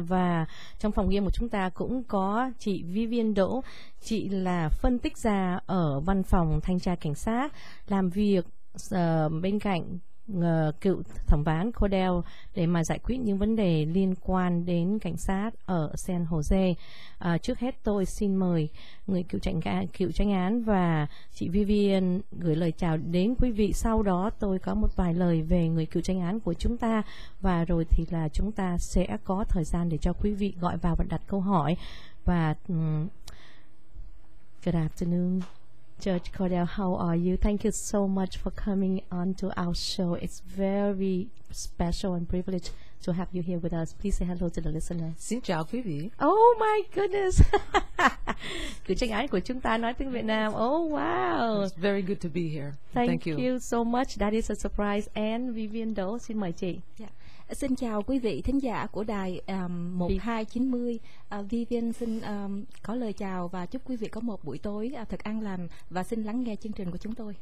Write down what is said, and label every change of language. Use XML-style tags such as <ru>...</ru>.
<vi>Và trong phòng ghiêm của chúng ta cũng có chị Vivian Đỗ, chị là phân tích gia ở văn phòng thanh tra cảnh sát, làm việc bên cạnh cựu thẩm phán Cordell để mà giải quyết những vấn đề liên quan đến cảnh sát ở San Jose. Trước hết tôi xin mời người cựu tranh án và chị Vivian gửi lời chào đến quý vị. Sau đó tôi có một vài lời về người cựu tranh án của chúng ta, và rồi thì là chúng ta sẽ có thời gian để cho quý vị gọi vào và đặt câu hỏi.</vi> <en>Và good afternoon, Judge Cordell, how are you? Thank you so much for coming on to our show. It's very special and privileged to have you here with us. Please say hello to the listeners.</en> <vi>Xin chào quý vị.</vi> <en>Oh my goodness.</en> <vi>Cựu tranh án của chúng ta nói tiếng Việt Nam.</vi> <en>Oh wow. It's very good to be here. Thank you so much. That is a surprise. And Vivian Đỗ,</en> <vi>xin mời chị. Yeah. Xin chào quý vị thính giả của đài 1290. Vivian xin có lời chào và chúc quý vị có một buổi tối thật an lành, và xin lắng nghe chương trình của chúng tôi.</vi>